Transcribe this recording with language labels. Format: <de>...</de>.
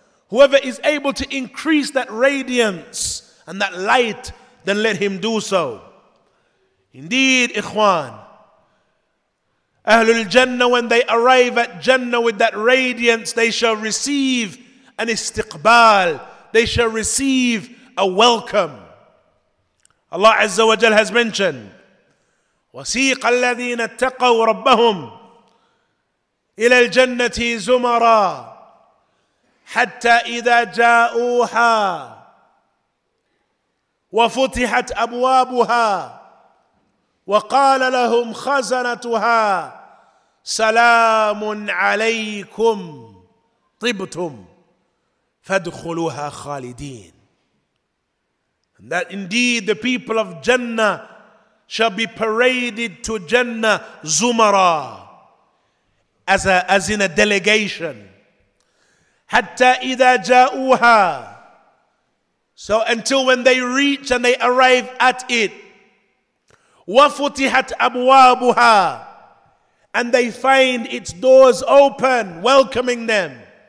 <en>Whoever is able to increase that radiance and that light, then let him do so. Indeed, ikhwan, Ahlul Jannah, when they arrive at Jannah with that radiance, they shall receive an istiqbal. They shall receive a welcome.</en> <ar>Allah Azza wa Jal</ar> <en>has mentioned,</en> <ar>وَسِيقَ الَّذِينَ اتَّقَوْا رَبَّهُمْ إِلَى الْجَنَّةِ زُمَرًا حَتَّى إِذَا جَاءُوهَا وَفُتِحَتْ أَبْوَابُهَا وَقَالَ لَهُمْ خَزَنَتُهَا سَلَامٌ عَلَيْكُمْ طِبْتُمْ فَادْخُلُوهَا خَالِدِينَ.</ar> <en>And that indeed the people of Jannah shall be paraded to Jannah zumara, as in a delegation.</en> <ar>حَتَّى إِذَا جَاءُوهَا,</ar> <en>so until when they reach and they arrive at it,</en> <ar>وَفُتِحَتْ أَبْوَابُهَا,</ar> <en>and they find its doors open, welcoming them.</en>